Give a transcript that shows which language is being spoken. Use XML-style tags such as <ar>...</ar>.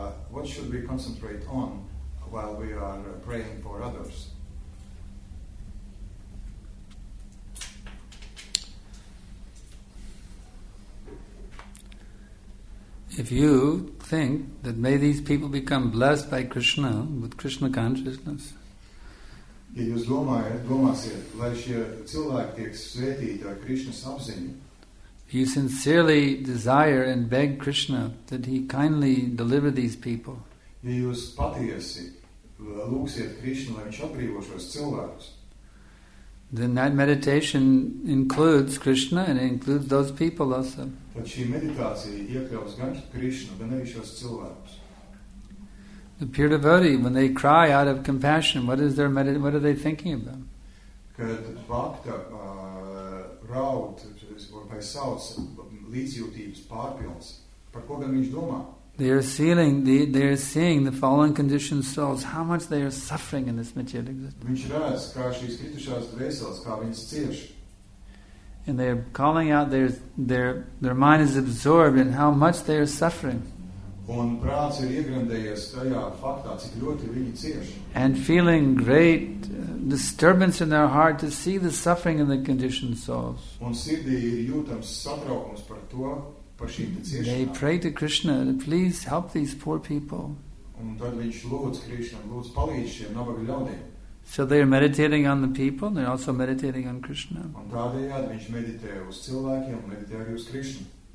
<en>What should we concentrate on while we are praying for others? If you think that may these people become blessed by Krishna with Krishna consciousness,</en> <lv>ja jūs domāsiet, lai šie cilvēki tiek svētīti ar Krišnas apziņu,</lv> <en>you sincerely desire and beg Krishna that he kindly deliver these people,</en> <lv>ja jūs patiesi lūksiet Krišnu, lai viņš atbrīvo šos cilvēkus,</lv> <en>then that meditation includes Krishna and it includes those people also.</en> <lv>Tad šī meditācija iekļaus gan Krišnu, gan arī šos cilvēkus.</lv> <en>The pure devotee, when they cry out of compassion, what is their what are they thinking about?</en> <lv>Kad bhakta raud vai sauc līdzjūtības pārpilns, par ko gan viņš domā?</lv> <en>They are seeing the fallen conditioned souls, how much they are suffering in this material existence.</en> <lv>Viņš redz, kā šīs kritušās dvēseles, kā viņas cieš.</lv> <en>And they are calling out, their mind is absorbed in how much they are suffering.</en> <lv>Un prāts ir iegrandējies tajā faktā, cik ļoti viņi cieš.</lv> <en>And feeling great disturbance in their heart to see the suffering in the conditioned souls.</en> <lv>Un sirdī ir jūtams satraukums par to, par šīm ciešanām.</lv> <en>They pray to Krishna, please help these poor people.</en> <lv>Un tad viņš lūdz Krishna, lūdz palīdz šiem nabaga ļaudīm.</lv> <en>So they are meditating on the people, and they're also meditating on Krishna.</en> <lv>Un tādējādi viņš meditē uz cilvēkiem, meditē arī uz Krishna.</lv>